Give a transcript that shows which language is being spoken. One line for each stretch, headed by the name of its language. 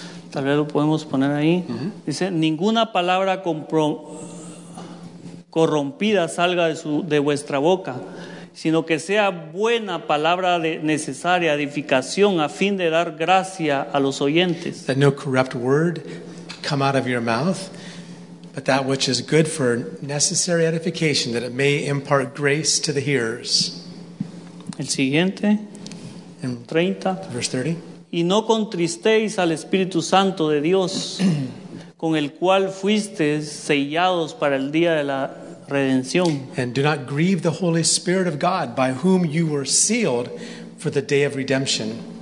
Spanish: Tal vez lo podemos poner ahí. Mm-hmm. Dice, ninguna palabra corrompida salga de vuestra boca, sino que sea buena palabra de necesaria edificación a fin de dar gracia a los oyentes.
English: That no corrupt word come out of your mouth, but that which is good for necessary edification, that it may impart grace to the hearers.
Spanish: El siguiente.
English: In 30. Verse 30.
Spanish: Y no contristéis al Espíritu Santo de Dios, con el cual fuisteis sellados para el día de la redención.
English: And do not grieve the Holy Spirit of God, by whom you were sealed for the day of redemption.